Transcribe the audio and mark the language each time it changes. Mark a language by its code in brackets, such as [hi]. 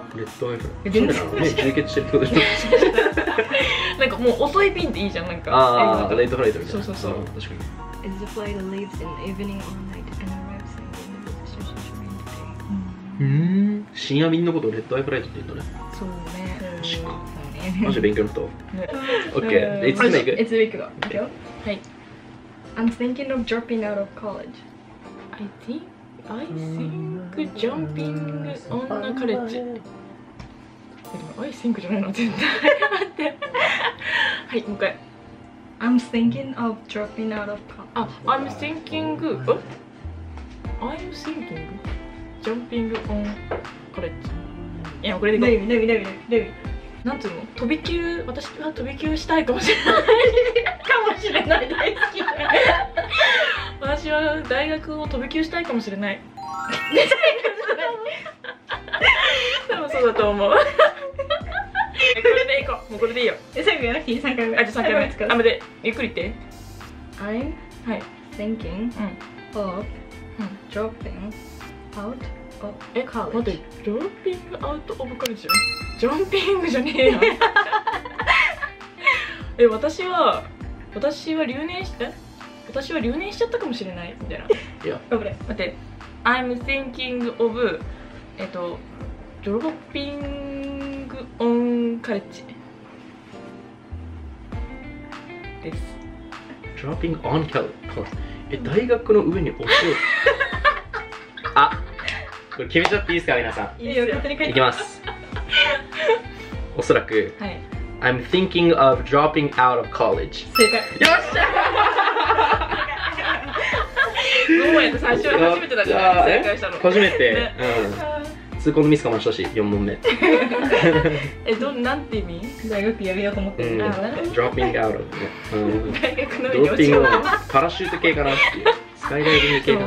[ja] レッドアイフラ、おしゃれな、目充血してるってことでしょ。なんかもう遅いピンっていいじゃん、なんかああ、レッドフライトみたいな。そうそうそう、確かに。 [en] Is the flight that leaves in the evening or night and arrives in the position should be in the day? [ja] うん、深夜便のことをレッドアイフライトって言うんだね。そうね、確かマジで勉強になった OK、 [en] It's a week It's a week [ja] だ、行くよ。 はい、 [en] I'm thinking of dropping out of college. I think jumping on a college. I think [ja] じゃないの、絶対。はい、もう一回。 [en] I'm thinking of dropping out of college. I'm thinking. I'm thinking jumping on college. [ja] いや、これでいこう。レビ、レビ、レビ、レビ。なんつうの？飛び級、私は飛び級したいかもしれない。かもしれない。大好き。私は大学を飛び級したいかもしれない。多分そうだと思う。これでいこう。もうこれでいいよ。最後やらなくていい、3回目。あ、じゃあ3回目使う。あ、待て。ゆっくり言って。 [en] I'm thinking of dropping out of college. [ja] 待って、 [en] dropping out of college [ja] じゃん。ジャンピングじゃねえよ。え、私は留年して、私は留年しちゃったかもしれないみたいな。いや、待って、 [en] I'm thinking of dropping on college [ja] です。 [en] Dropping on college。 [ja] え、大学の上に落ちる。あ、これ決めちゃっていいですか皆さん。いいよ、勝手に書いて。いきます。おそらく、はい、 [en] I'm thinking of dropping out of college. [ja] 正解。よっしゃ。どうもやった、最初は初めてだから正解したの。初めて。ね、うん。痛恨のミスかもしたし、4問目。え、どなんて意味？大学やめようと思ってる。 [en] dropping out of、 [ja] 大学の上に落ちる。パラシュート系かなっていう。スカイダイビング系かな。